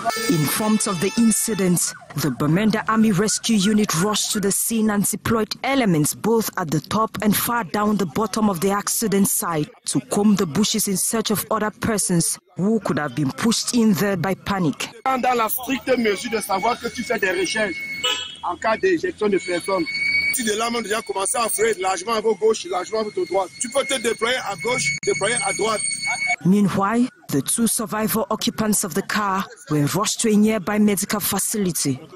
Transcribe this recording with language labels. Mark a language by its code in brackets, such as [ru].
[en] Informed of the incident, the Bamenda Army Rescue Unit rushed to the scene and deployed elements both at the top and far down the bottom of the accident site to comb the bushes in search of other persons who could have been pushed in there by panic. [fr] Dans la stricte mesure de savoir que tu fais des recherches en cas d'éjection de personnes. Si de là, on a déjà commencé à frayer largement à votre gauche, largement à votre droite. Tu peux te déployer à gauche, déployer à droite. [en] Meanwhile, the two survivor occupants of the car were rushed to a nearby medical facility.